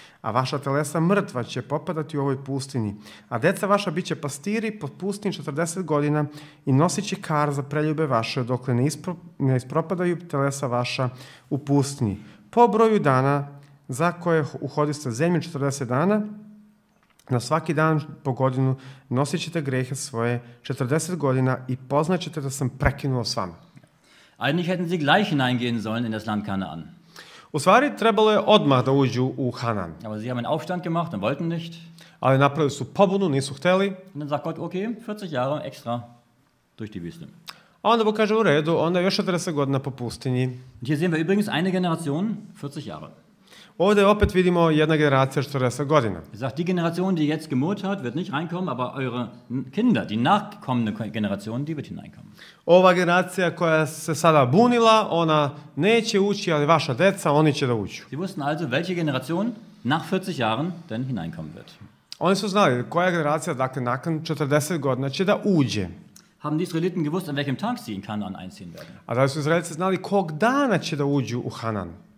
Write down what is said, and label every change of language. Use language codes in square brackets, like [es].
[sr] A vaša telesa mrtva će popadati u ovoj pustini. A deca vaša bit će pastiri pod pustinji 40 godina i nosit će kar za preljube vaše dokle ne ispropadaju telesa vaša u pustini. Po broju dana za koje uhodiste zemlju 40 dana, na svaki dan po godinu nosit ćete grehe svoje 40 godina i poznat ćete da sam prekinuo s vama. [de] Eigentlich hätten sie gleich hineingehen sollen in das Land Kanaan. [sr] U stvari trebalo je odmah da uđu u Kanaan. [de] Aber sie haben einen Aufstand gemacht und wollten nicht. [sr] Ali napravili su pobunu, nisu hteli. [de] Und dann sagt Gott, okay, 40 Jahre extra durch die Wüste. [sr] A onda Bog kaže u redu, onda još 40 godina po pustinji. [de] Und hier sehen wir übrigens eine Generation, 40 Jahre. [sr] Ovdje opet vidimo jedna generacija 40 godina. [de] Sagt die Generation, die jetzt gemurrt hat, wird nicht reinkommen, aber eure Kinder, die nachkommende Generation, die wird hineinkommen. [sr] Ova generacija koja se sada bunila, ona neće ući, ali vaša deca, oni će da uću. [de] Sie wussten also, welche Generation nach 40 Jahren denn hineinkommen wird. [sr] Oni su znali koja generacija, dakle, nakon 40 godina će da uđe. [de] Haben die Israeliten gewusst, an welchem Tag sie in Kanaan einziehen werden? [sr] A da li su Izraelci znali kog dana će da uđu u Kanaan?